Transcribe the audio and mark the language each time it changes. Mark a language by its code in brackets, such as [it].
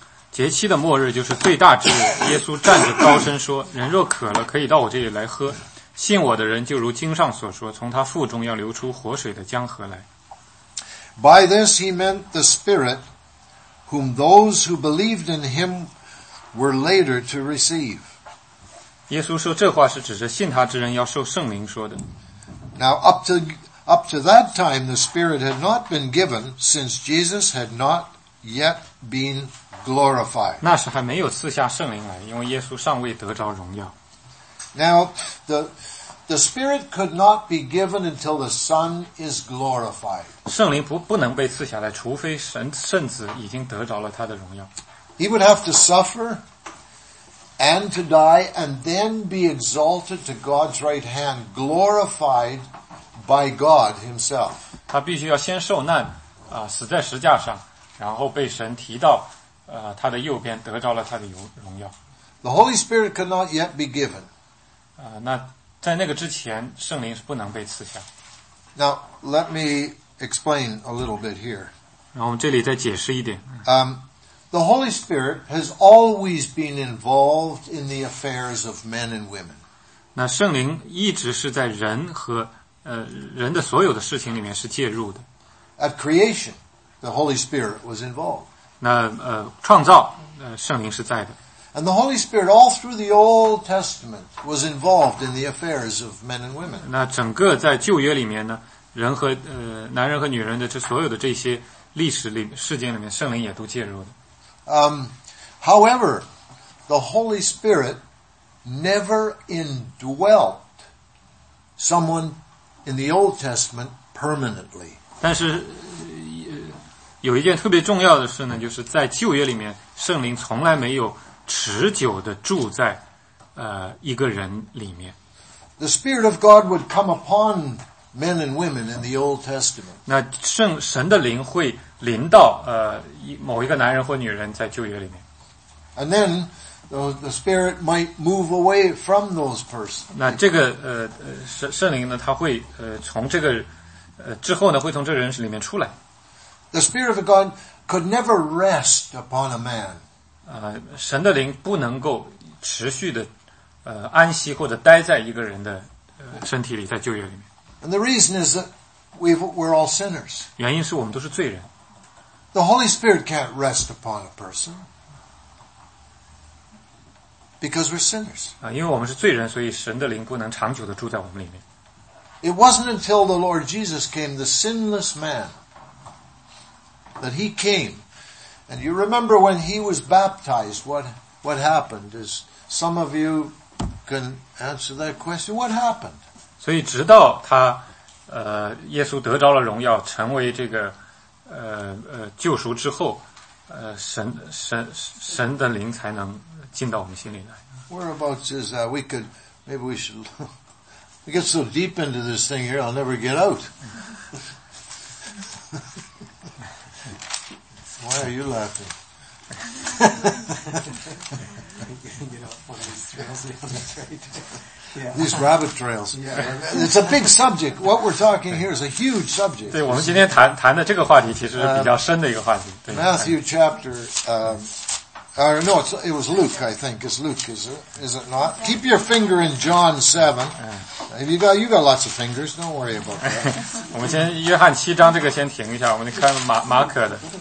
[zh] 节期的末日就是最大之日，耶稣站着高声说，人若渴了，可以到我这里来喝。信我的人就如经上所说，从他腹中要流出活水的江河来。 [en] By this he meant the Spirit, whom those who believed in him were later to receive. [zh] 耶稣说这话是指着信他之人要受圣灵说的。 [en] Now up to that time the Spirit had not been given, since Jesus had not yet been glorified. [zh] 那时还没有赐下圣灵来，因为耶稣尚未得着荣耀。 [en] Now, the Spirit could not be given until the Son is glorified. [zh] 圣灵不能被赐下来，除非圣子已经得着了他的荣耀。 [en] He would have to suffer and to die and then be exalted to God's right hand, glorified by God himself. [zh] 他必须要先受难，死在十架上，然后被神提到，他的右边，得着了他的荣耀。 [en] The Holy Spirit could not yet be given. [zh] 那在那个之前，圣灵是不能被赐下。 [en] Now let me explain a little bit here. [zh] 然后我们这里再解释一点。 [en] The Holy Spirit has always been involved in the affairs of men and women. [zh] 那圣灵一直是在人和人的所有的事情里面是介入的。 [en] At creation, the Holy Spirit was involved. [zh] 那创造圣灵是在的。 [en] And the Holy Spirit all through the Old Testament was involved in the affairs of men and women. [zh] 那整个在旧约里面呢，人和男人和女人的这所有的这些历史里事件里面，圣灵也都介入的。 [en] However, the Holy Spirit never indwelt someone in the Old Testament permanently. [zh] 但是有一件特别重要的事呢，就是在旧约里面，圣灵从来没有持久地住在一个人里面。 [en] The Spirit of God would come upon men and women in the Old Testament. [zh] 那神的灵会临到某一个男人或女人在旧约里面。 [en] And then the Spirit might move away from those persons. [zh] 那这个圣灵呢，他会从这个之后呢，会从这个人里面出来。 [en] The Spirit of God could never rest upon a man. [zh] 神的灵不能够持续的安息或者待在一个人的身体里，在旧约里面。 [en] And the reason is that we're all sinners. [zh] 原因是我们都是罪人。 [en] The Holy Spirit can't rest upon a person because we're sinners. [zh] 因为我们是罪人，所以神的灵不能长久的住在我们里面。 [en] It wasn't until the Lord Jesus came, the sinless man, that he came. And you remember when he was baptized, what happened? As some of you can answer that question, what happened? [zh] 所以直到他耶稣得着了荣耀，成为这个救赎之后，神的灵才能进到我们心里来。 [en] Whereabouts is that? We should I get so deep into this thing here, I'll never get out. Why are you laughing? These rabbit trails. Yeah, it's a big subject. What we're talking here is a huge subject. [zh] 对，我们今天谈的这个话题其实是比较深的一个话题。对 [en] Matthew chapter, it was Luke, I think. Is it not? Keep your finger in John 7. Have you got lots of fingers? Don't worry about that. [zh] 我们先约翰七章这个先停一下，我们看马可的。